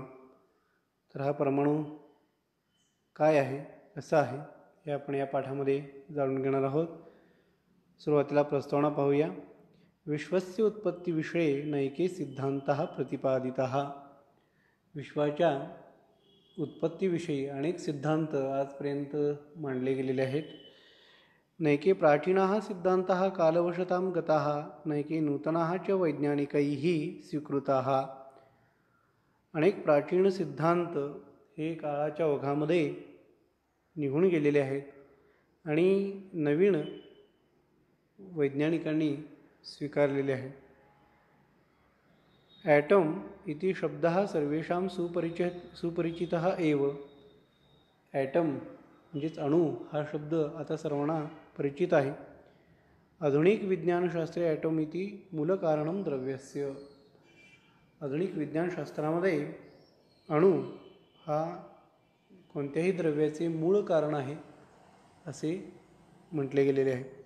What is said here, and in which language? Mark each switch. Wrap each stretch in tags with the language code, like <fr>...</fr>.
<mr>तर हा परमाणु काय आहे कसा आहे हे आपण या पाठामध्ये जाणून घेणार आहोत। सुरुवातीला प्रस्तावना पाहूया।</mr> <sa>विश्वस्य उत्पत्ति विषये नैके सिद्धांतः प्रतिपादितः।</sa> <mr>विश्वाच्या उत्पत्ति विषयी अनेक सिद्धांत आजपर्यंत मांडले गेलेले आहेत।</mr> <sa>नैके प्राचीनाः सिद्धांतः कालवशतां गताः, नैके नूतनाः च वैज्ञानिकैः स्वीकृताः।</sa> <mr>अनेक प्राचीन सिद्धांत हे काळाच्या ओघामध्ये निघून गेलेले आहेत आणि नवीन वैज्ञानिकांनी स्वीकारलेले आहे।</mr> <sa>ॲटम इति शब्दः सर्वेषां सुपरिचितः एव।</sa> <mr>ॲटम म्हणजेच अणु हा शब्द आता सर्वांना परिचित आहे।</mr> <sa>आधुनिक विज्ञानशास्त्रे ॲटम इति मूलकारणं द्रव्यस्य।</sa> <mr>आधुनिक विज्ञानशास्त्रामध्ये अणु हा कोणत्याही द्रव्याचे मूळ कारण आहे असे म्हटले गेलेले आहे।</mr>